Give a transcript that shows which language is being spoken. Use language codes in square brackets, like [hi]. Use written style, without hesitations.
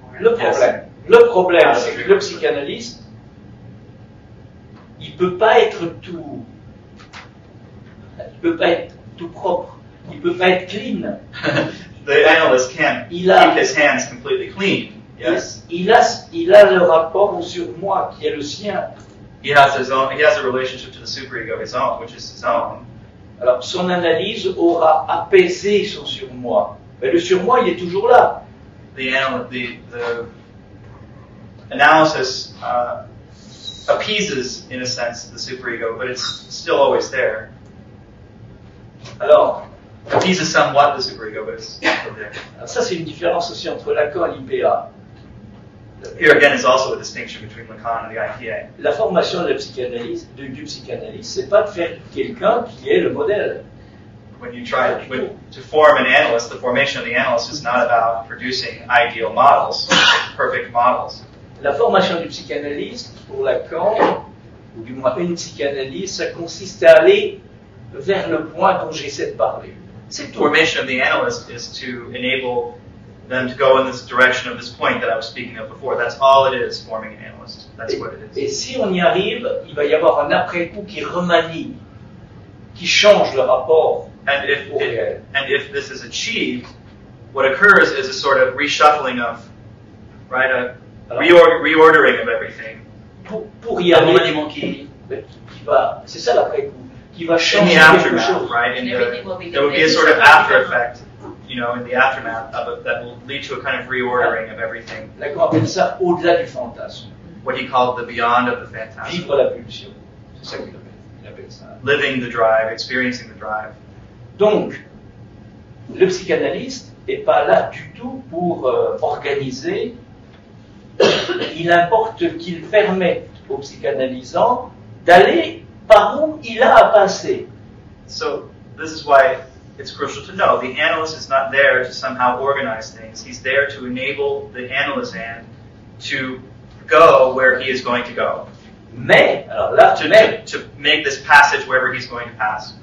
[fr] Le problème, c'est que le psychanalyste, il peut pas être tout propre. Il peut pas être clean. [en] The analyst can't keep his hands completely clean. Yes. [fr] Il a le rapport au surmoi qui est le sien. [en] He has a relationship to the superego, his own, which is his own. [fr] Alors son analyse aura apaisé son surmoi. Mais le surmoi, il est toujours là. [en] The analysis appeases, in a sense, the superego, but it's still always there. [fr] Alors. [en] Appeases somewhat the superego, but it's still there. [fr] Alors, ça, c'est une différence aussi entre Lacan et l'IPA. [en] Here again is also a distinction between Lacan and the IPA. [fr] La formation de psychanalyse, du psychanalyste, c'est pas de faire quelqu'un qui est le modèle. [en] When you try to form an analyst, the formation of the analyst is not about producing ideal models, perfect models. [fr] La formation du psychanalyste, pour Lacan, ou du moins une psychanalyste, ça consiste à aller vers le point dont j'essaie de parler. C'est tout. [en] Formation of the analyst is to enable them to go in this direction of this point that I was speaking of before. That's all it is, forming an analyst. That's [fr] et, [en] what it is. [fr] Et si on y arrive, il va y avoir un après-coup qui remanie, qui change le rapport au réel. [en] And if this is achieved, what occurs is a sort of reshuffling of, right, reordering of everything. [fr] Pour y arriver, un remaniement qui va, c'est ça l'après-coup, qui va changer quelque chose. [en] In the aftermath, right, there will be a sort of after-effect. You know, in the aftermath of it, that will lead to a kind of reordering of everything. [fr] Lacan appelle ça au-delà du fantasme. [en] What he called the beyond of the fantasm. [fr] Vivre la pulsion. C'est ça qu'il appelle ça. [en] Living the drive, experiencing the drive. [fr] Donc, le psychanalyste n'est pas là du tout pour organiser. Il importe qu'il permette au psychanalysant d'aller par où il a à passer. [en] So, this is why. It's crucial to know the analyst is not there to somehow organize things. He's there to enable the analyst hand to go where he is going to go. [fr] Mais, alors là, [en] to make this passage wherever he's going to pass.